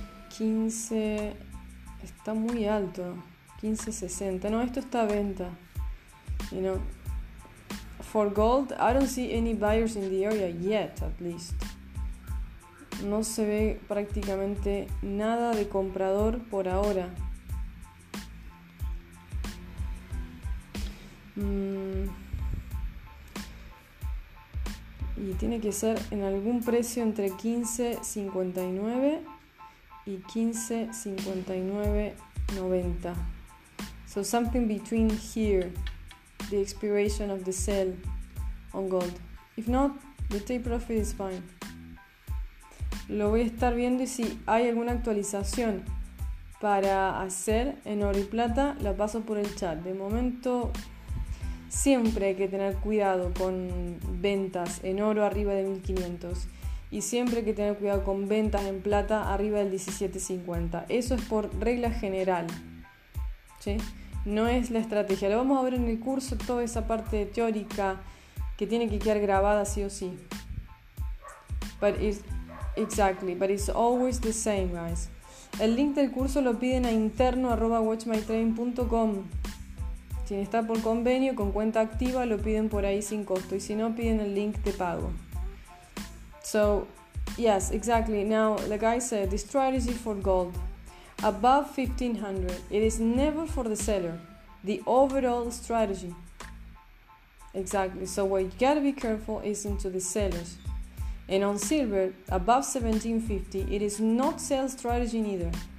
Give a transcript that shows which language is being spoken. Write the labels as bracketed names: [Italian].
[Spanish] 15, está muy alto, 15.60, no, esto está a venta, [English] you know. For gold, I don't see any buyers in the area yet, at least. [Spanish] No se ve prácticamente nada de comprador por ahora. Y tiene que ser en algún precio entre 15.59 y 15.59.90. [English] So something between here, the expiration of the sell on gold. If not, the take profit is fine. [Spanish] Lo voy a estar viendo y si hay alguna actualización para hacer en oro y plata, la paso por el chat. De momento, siempre hay que tener cuidado con ventas en oro arriba de 1500. Y siempre hay que tener cuidado con ventas en plata arriba del 1750. Eso es por regla general, ¿sí? No es la estrategia. Lo vamos a ver en el curso, toda esa parte teórica que tiene que quedar grabada sí o sí. [English] But it's, exactly, but it's always the same, guys. [Spanish] El link del curso lo piden a interno@watchmytrading.com. Si está por convenio, con cuenta activa, lo piden por ahí sin costo. Y si no, piden el link de pago. [English] So, yes, exactly. Now, the guy said, the strategy for gold. Above 1500, it is never for the seller. The overall strategy. Exactly. So, what you gotta be careful is into the sellers. And on silver, above 1750, it is not sales strategy neither.